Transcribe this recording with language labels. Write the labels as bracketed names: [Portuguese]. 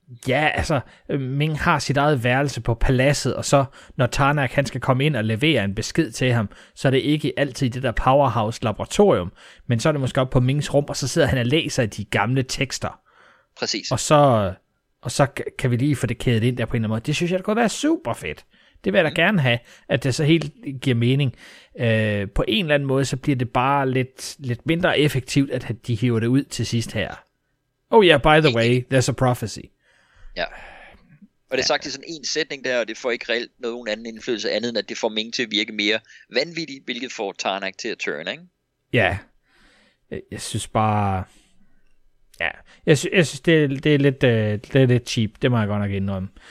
[Danish] Ja, altså, Ming har sit eget værelse på paladset, og så når Tarnak han skal komme ind og levere en besked til ham, så er det ikke altid det der powerhouse-laboratorium, men så er det måske op på Mings rum, og så sidder han og læser de gamle tekster. Præcis. Og så kan vi lige få det kædet ind der på en eller anden måde. Det synes jeg, det kunne være super fedt. Det vil jeg da gerne have, at det så helt giver mening. På en eller anden måde, så bliver det bare lidt mindre effektivt, at de hiver det ud til sidst her. [English] Oh yeah, by the way, there's a prophecy. [Danish] Ja. Og det er sagt i sådan en sætning der, og det får ikke reelt nogen anden indflydelse andet, end at det får Ming til at virke mere vanvittigt, hvilket får Tarnak til at turn, ikke? Ja. Jeg synes bare... Ja, jeg synes, det er lidt cheap, det må jeg godt nok indrømme.